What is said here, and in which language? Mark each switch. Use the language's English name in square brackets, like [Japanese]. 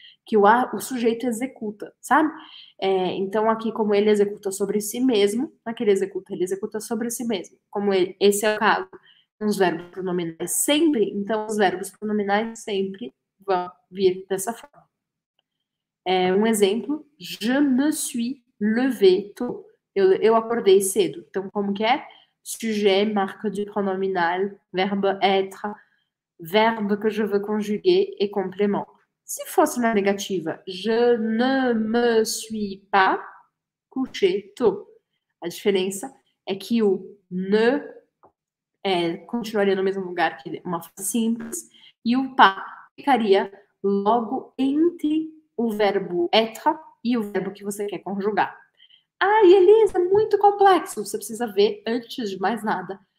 [Portuguese] Que o sujeito executa, sabe? Então, aqui, como ele executa sobre si mesmo, naquele executa, ele executa sobre si mesmo. Como ele, esse é o caso nos verbos pronominais sempre, então os verbos pronominais sempre vão vir dessa forma. Um exemplo: [French] Je me suis levé tôt. [Portuguese] Eu acordei cedo. Então, como que é? [French] Sujet, marque du pronominal, verbe être, verbe que je veux conjuguer e complément. [Portuguese] Se fosse na negativa, [French] je ne me suis pas couché tôt. [Portuguese] A diferença é que o ne continuaria no mesmo lugar que uma frase simples e o pas ficaria logo entre o verbo être e o verbo que você quer conjugar. Ah, Elisa, muito complexo. Você precisa ver, antes de mais nada,